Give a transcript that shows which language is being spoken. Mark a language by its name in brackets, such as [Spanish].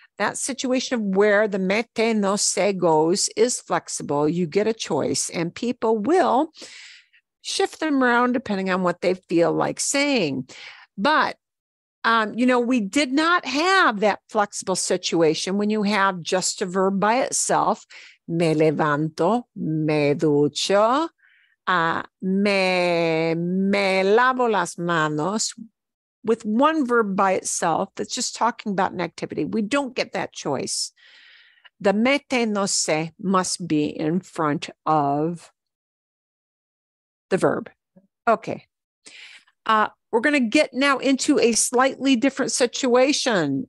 [English] That situation of where the mete no se goes is flexible. You get a choice, and people will shift them around depending on what they feel like saying. But, you know, we did not have that flexible situation when you have just a verb by itself. [Spanish] Me levanto, me ducho, me lavo las manos. [English] With one verb by itself that's just talking about an activity, we don't get that choice. The mete no se must be in front of the verb. Okay. We're going to get now into a slightly different situation.